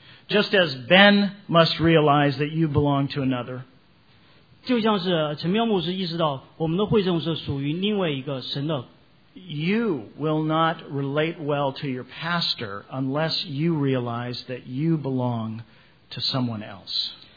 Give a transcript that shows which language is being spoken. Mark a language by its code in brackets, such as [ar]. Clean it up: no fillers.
[en] just as Ben must realize that you belong to another. [zh] 就像是陈彪牧师意识到我们的会众是属于另外一个神的, [en] you will not relate well to your pastor unless you realize that you belong to someone else.